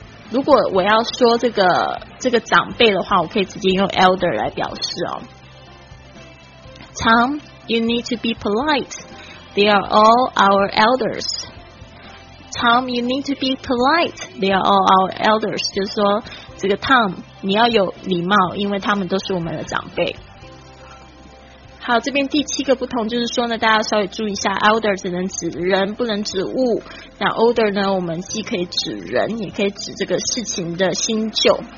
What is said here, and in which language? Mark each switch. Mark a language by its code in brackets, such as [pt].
[zh] 如果我要说这个长辈的话，我可以直接用 elder 来表示哦。 [en] Tom you need to be polite， They are all our eldersTom, you need to be polite. They are all our elders. [zh] 就是说，这个 Tom, 你要有礼貌，因为他们都是我们的长辈。好，这边第七个不同就是说呢，大家稍微注意一下 ，elder 只能指人，不能指物。那 older 呢，我们既可以指人，也可以指这个事情的新旧。